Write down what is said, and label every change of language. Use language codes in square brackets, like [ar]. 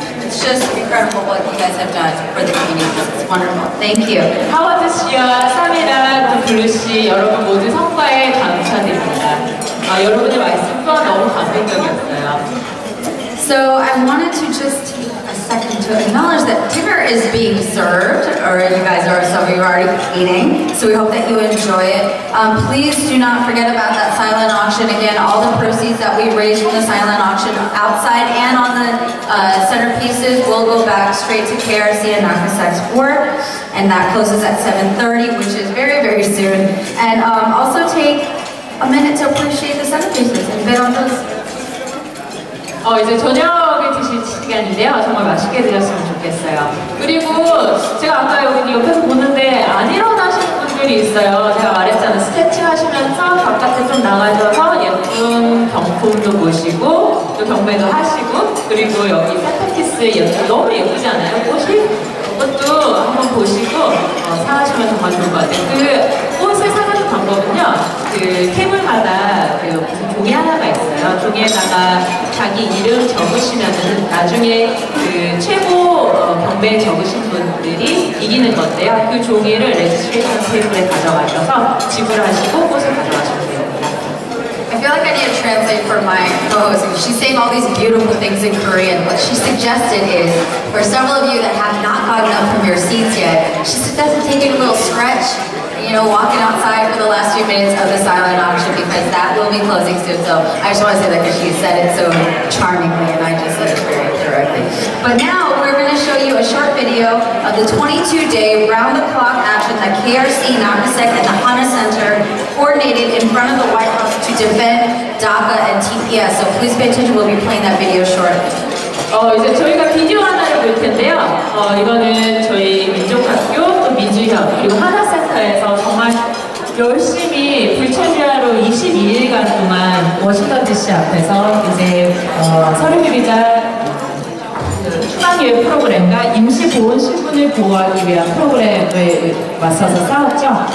[en] It's just incredible what you guys have done for the community. It's wonderful. Thank you. [ko] 하워드 씨와 사미라, 또 블루 씨, 여러분 모두 성과에 감사드립니다. 여러분의 말씀과 너무 감동적이었어요. [en] So I wanted to just second to acknowledge that dinner is being served, or you guys are, some of you are already eating, so we hope that you enjoy it. Please do not forget about that silent auction. Again, all the proceeds that we raise from the silent auction outside and on the centerpieces will go back straight to KRC and Nakasai's Fort, and that closes at 7:30, which is very, very soon. And also take a minute to appreciate the centerpieces and bid on those. [ko] 이제 저녁에 드실 시간인데요. 정말 맛있게 드셨으면 좋겠어요. 그리고 제가 아까 여기 옆에서 보는데 안 일어나신 분들이 있어요. 제가 말했잖아요. 스트레칭 하시면서 바깥에 좀 나가셔서 예쁜 경품도 보시고 또 경매도 하시고 그리고 여기 세트키스 예쁜 너무 예쁘지 않아요? 꽃이? 그것도 한번 보시고 사가시면 정말 좋을 것 같아요. 그 꽃을 사가는 방법은요. 그 테이블마다 그 종이 하나가 있어요. 종이에다가 자기 이름 적으시면은 나중에 그 최고 경매 적으신 분들이 이기는 건데요. 그 종이를 레지스트레이션 테이블에 가져가셔서 지불하시고 꽃을 가져가시면 됩니다. [en] I feel like I need to translate for my co-host. She's saying all these beautiful things in Korean. What she suggested is for several of you that have not gotten up from your seats yet, she suggested taking a little stretch. You know, walking outside for the last few minutes of the silent auction because that will be closing soon. So I just want to say that because she said it so charmingly and I just said it very directly. But now we're going to show you a short video of the 22-day round-the-clock action that KRC, Nakasek, and the Hana Center coordinated in front of the White House to defend DACA and TPS. So please pay attention, we'll be playing that video shortly. [ko] 이제 저희가 비디오 하나를 볼 텐데요. 이거는 저희 민족학교 또 민주협 그리고 하나센터에서 정말 열심히 불참여로 22일간 동안 워싱턴 DC 앞에서 이제 서류비자 추방위의 프로그램과 임시 보호 신분을 보호하기 위한 프로그램에 맞서서 싸웠죠.